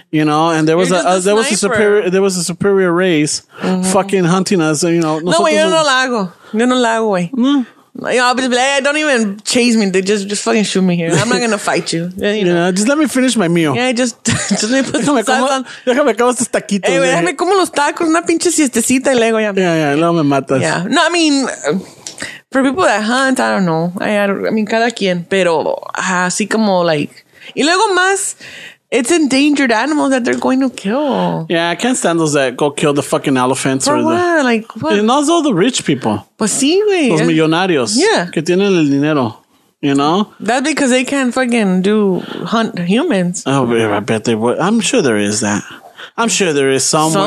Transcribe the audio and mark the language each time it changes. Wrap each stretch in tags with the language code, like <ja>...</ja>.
<en>you know, and there was a superior race mm-hmm. fucking hunting us, you know. No, wait,</en> <es>yo no lo hago, güey.</es> <en>I'll be like, hey, don't even chase me. Just fucking shoot me here. I'm not gonna fight you. You know, just let me finish my meal. Yeah, just let me put some salsa.</en> <es>Déjame acabar estos taquitos. Hey, déjame como los tacos, una pinche siestecita y luego ya. Yeah, luego me matas.</es> <en>Yeah, no, I mean, for people that hunt, I don't know.</en> <es>I mean, cada quien, pero así como like, y luego más.</es> <en>It's endangered animals that they're going to kill. Yeah, I can't stand those that go kill the fucking elephants. For or what? The, like, what? And also the rich people.</en> <es>Pues sí, güey. Los millonarios.</es> <en>Yeah.</en> <es>Que tienen el dinero,</es> <en>you know? That's because they can't fucking hunt humans. Oh, I bet they would. I'm sure there is that. I'm sure there is somewhere.</en>